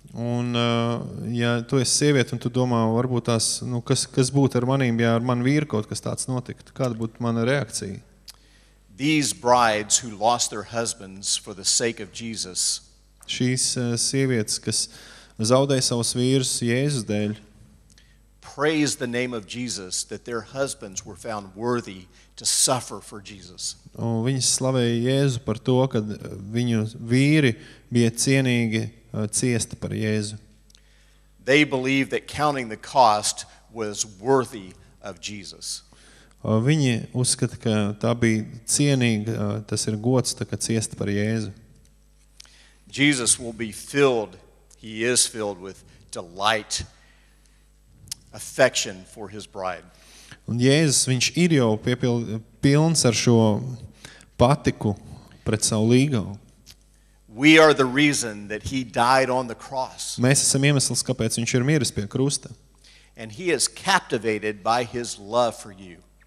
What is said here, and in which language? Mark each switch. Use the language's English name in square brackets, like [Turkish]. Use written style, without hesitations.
[Latvian] Un ja tu esi sieviete un tu domā, varbūt tās, nu, kas būtu ar manīm, ja ar manu vīru kaut kas tāds notiktu, kāda būtu mana reakcija? [English] These brides who lost their husbands for the sake of Jesus. [Latvian] Šīs sievietes, kas zaudēja savus vīrus Jēzus dēļ. [English] Praise the name of Jesus that their husbands were found worthy to suffer for Jesus. [Latvian] Un viņas slavēja Jēzu par to, ka viņu vīri bija cienīgi ciest par Jēzu. [English] They believe that counting the cost was worthy of Jesus. [Latvian] Viņi uzskata, ka tā bija cienīga, tas ir gods, tā, ka ciest par Jēzu. [English] Jesus will be filled, he is filled with delight, affection for his bride. [Latvian] Un Jēzus, viņš ir jau pilns ar šo patiku pret savu līgavu. [English] We are the reason that he died on the cross. [Latvian] Mēs esam iemesls, kāpēc viņš ir miris pie krusta. [English] And he is captivated by his love for you.